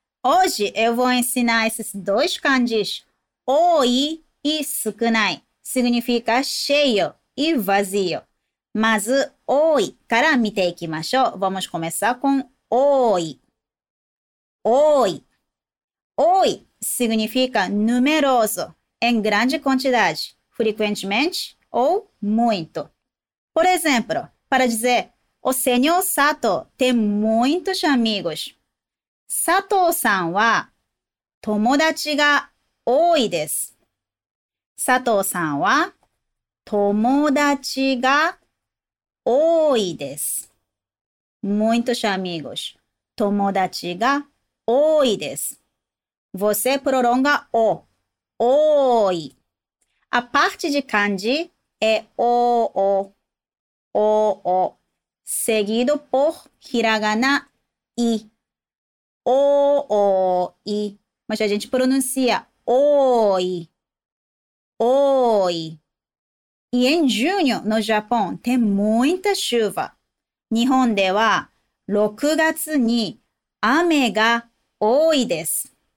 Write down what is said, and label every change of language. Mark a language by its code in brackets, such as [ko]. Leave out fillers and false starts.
[pt] Hoje eu vou ensinar esses dois kanjis. [ja] 多いい少ない [pt] significa cheio e vazio. [ja] まず、多いから見ていきましょう。 [pt] Vamos começar com 多い。 [ja] 多い。 [pt] 多い significa numeroso, em grande quantidade, frequentemente ou muito. Por exemplo, para dizer... お senhor Sato tem muitos amigos. [ja] Sato さんは友達が多いです。 Sato さんは友達が多いです。 [pt] Muitos amigos. [ja] 友達が多いです。 [pt] Você prolonga o. 多い。 A parte de kanji é o, o. O, o. Seguido por hiragana i. O, o, i. Mas a gente pronuncia oi. Oi. E em junho, no Japão, tem muita chuva. [ja] 日本では6月に雨が多いです。